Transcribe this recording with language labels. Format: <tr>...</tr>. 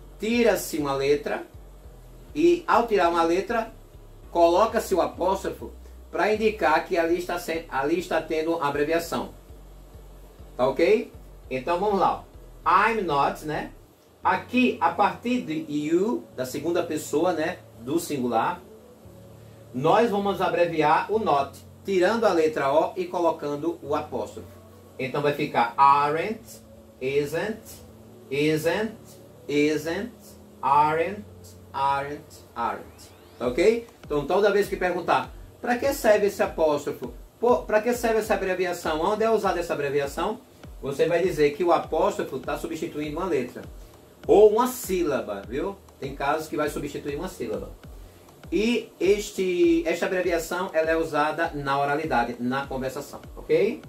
<pt>Tira-se uma letra e ao tirar uma letra, coloca-se o apóstrofo para indicar que ali está tendo uma abreviação. Tá ok? Então vamos lá. I'm not, né? Aqui, a partir de you, da segunda pessoa, né, do singular, nós vamos abreviar o not, tirando a letra O e colocando o apóstrofo. Então vai ficar</pt> <en>aren't, isn't, isn't, isn't, aren't, aren't, aren't. Ok?</en> <pt>Então toda vez que perguntar, para que serve esse apóstrofo? Para que serve essa abreviação? Onde é usada essa abreviação? Você vai dizer que o apóstrofo está substituindo uma letra. Ou uma sílaba, viu? Tem casos que vai substituir uma sílaba. E esta abreviação, ela é usada na oralidade, na conversação, ok?</pt>